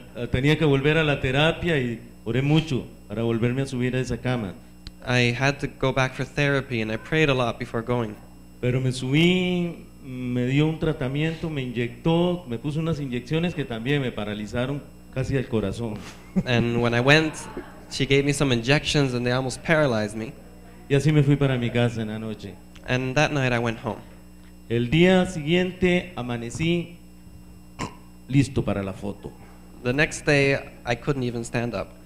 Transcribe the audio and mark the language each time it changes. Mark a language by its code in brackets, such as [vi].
[es] Tenía que volver a la terapia y oré mucho para volverme a subir a esa cama. [en] I had to go back for therapy and I prayed a lot before going. [es] Pero me subí, me dio un tratamiento, me inyectó, me puso unas inyecciones que también me paralizaron casi el corazón. [en] And when I went, she gave me some injections and they almost paralyzed me. [es] Y así me fui para mi casa en la noche. [en] And that night I went home. [es] El día siguiente amanecí listo para la foto. [en] The next day I couldn't even stand up.